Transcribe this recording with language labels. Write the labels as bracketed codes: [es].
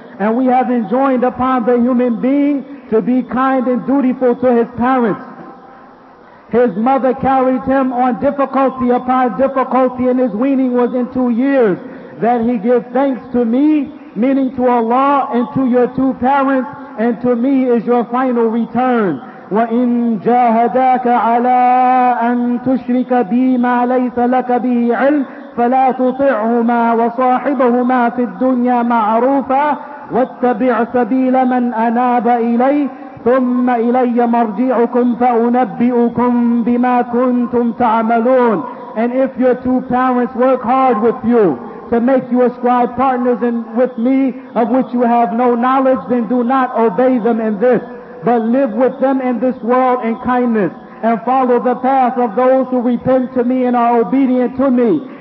[en] And we have enjoined upon the human being to be kind and dutiful to his parents. His mother carried him on difficulty upon difficulty, and his weaning was in 2 years. That he give thanks to me, meaning to Allah, and to your two parents, and to me is your final return. [ar] وَإِن جَاهَدَاكَ عَلَىٰ أَن تُشْرِكَ بِي مَا لَيْسَ لَكَ بِهِ عِلْمٌ فَلَا تُطِعْهُمَا وَصَاحِبَهُمَا فِي الدُّنْيَا مَعْرُوفًا واتبع سبيل من أناب إلي ثم إلي مرجعكم فأنبئكم بما كنتم تعملون. [en] And if your two parents work hard with you to make you ascribe partners in with me of which you have no knowledge, then do not obey them in this, but live with them in this world in kindness and follow the path of those who repent to me and are obedient to me.